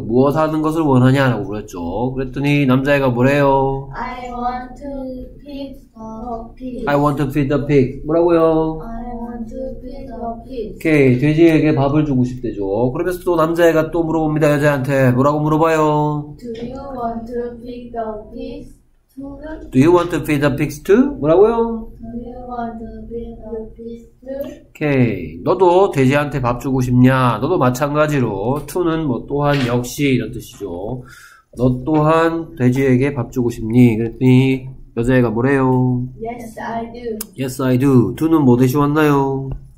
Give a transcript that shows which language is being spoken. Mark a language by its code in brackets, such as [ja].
[ko] 무엇 하는 것을 원하냐라고 물었죠. 그랬더니 남자애가 뭐래요? [en] I want to feed the pig. I want to feed the pig. [ko] 뭐라고요? [en] I want to feed the pig. [ko] 오케이. 돼지에게 밥을 주고 싶대죠. 그러면서 또 남자애가 또 물어봅니다. 여자한테. 뭐라고 물어봐요? [en] Do you want to feed the pig? Do you want to feed the pigs too? [ko] 뭐라고요? [en] Do you want to feed the pigs too? [ko] 오케이. 너도 돼지한테 밥 주고 싶냐? 너도 마찬가지로. To는 뭐 또한 역시 이런 뜻이죠. 너 또한 돼지에게 밥 주고 싶니? 그랬더니 여자애가 뭐래요? [en] Yes, I do. Yes, I do. [ko] To는 뭐 대신 왔나요?